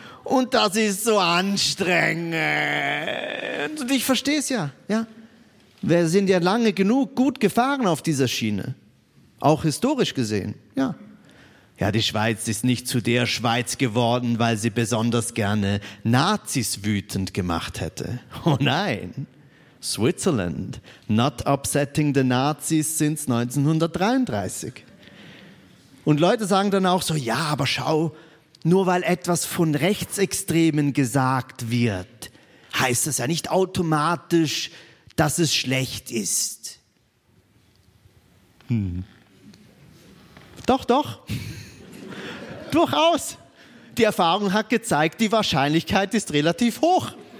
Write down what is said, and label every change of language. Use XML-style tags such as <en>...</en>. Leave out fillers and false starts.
<de>Und das ist so anstrengend. Und ich verstehe es ja, ja. Wir sind ja lange genug gut gefahren auf dieser Schiene. Auch historisch gesehen, ja. Ja, die Schweiz ist nicht zu der Schweiz geworden, weil sie besonders gerne Nazis wütend gemacht hätte. Oh nein,</de> <en>Switzerland, not upsetting the Nazis since 1933.</en> <de>Und Leute sagen dann auch so, ja, aber schau, nur weil etwas von Rechtsextremen gesagt wird, heißt das ja nicht automatisch, dass es schlecht ist. Doch. Durchaus. Die Erfahrung hat gezeigt, die Wahrscheinlichkeit ist relativ hoch.</de>